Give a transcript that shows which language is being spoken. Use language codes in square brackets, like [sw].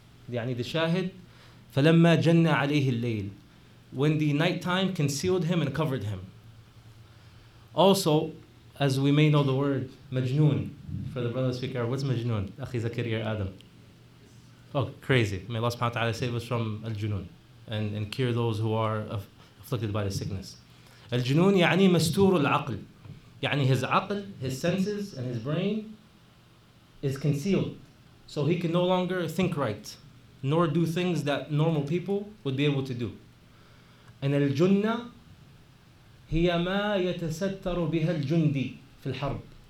[en] يعني the شاهد, [ar] فَلَمَّا جَنَّ عَلَيْهِ اللَّيْلِ, [en] when the night time concealed him and covered him. Also, as we may know the word, majnoon, for the brother speaker, what's majnoon? Akhi Zakaria Adam. Oh, crazy. May Allah subhanahu wa ta'ala save us from al-junoon and cure those who are afflicted by the sickness. [ar] Al-junoon, يعني مستور العقل. [en] يعني his عقل, his senses and his brain is concealed. So he can no longer think right, nor do things that normal people would be able to do. And al-junna, [ar] هي ما يتستر بها الجندي في الحرب.